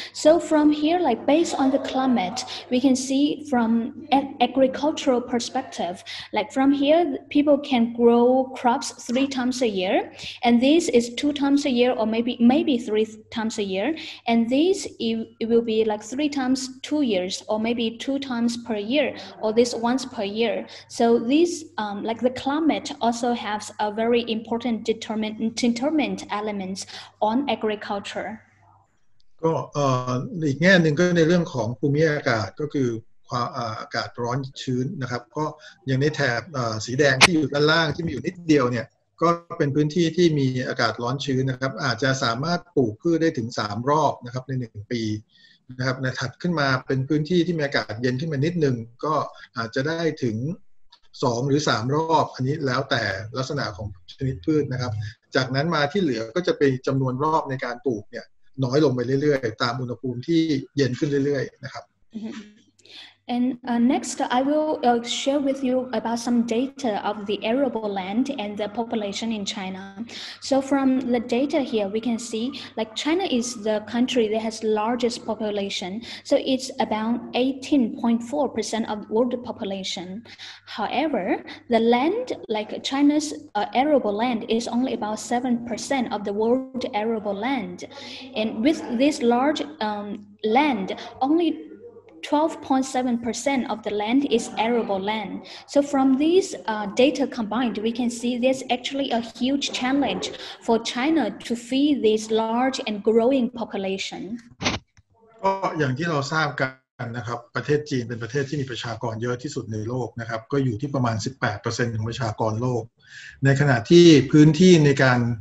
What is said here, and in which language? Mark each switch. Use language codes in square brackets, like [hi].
[en] So from here, like based on the climate, we can see from agricultural perspective, like from here people can grow crops 3 times a year, and this is 2 times a year or maybe 3 times a year, and this it will be like 3 times 2 years or maybe 2 times per year or this once per year. So this like the climate also has a very important determinant elements on agriculture. [th] ก็อีกแง่นึงก็ในเรื่องของภูมิอากาศก็คือความอากาศร้อนชื้นนะครับก็อย่างในแถบสีแดงที่อยู่ด้านล่างที่มีอยู่นิดเดียวเนี่ยก็เป็นพื้นที่ที่มีอากาศร้อนชื้นนะครับอาจจะสามารถปลูกพืชได้ถึง3รอบนะครับใน1ปี นะครับในถัดขึ้นมาเป็นพื้นที่ที่มีอากาศเย็นขึ้นมานิดนึงก็อาจจะได้ถึง2หรือ3รอบอันนี้แล้วแต่ลักษณะของชนิดพืชนะครับจากนั้นมาที่เหลือก็จะเป็นจำนวนรอบในการปลูกเนี่ยน้อยลงไปเรื่อยๆตามอุณหภูมิที่เย็นขึ้นเรื่อยๆนะครับ [en] And next, I will share with you about some data of the arable land and the population in China. So from the data here, we can see like China is the country that has largest population. So it's about 18.4% of world population. However, the land, like China's arable land is only about 7% of the world arable land. And with this large land, only 12.7% of the land is arable land. So from these data combined, we can see there's actually a huge challenge for China to feed this large and growing population. [th] ก็อย่างที่เราทราบกันนะครับประเทศจีนเป็นประเทศที่มีประชากรเยอะที่สุดในโลกนะครับก็อยู่ที่ประมาณ 18% ของประชากรโลกในขณะที่พื้นที่ในการ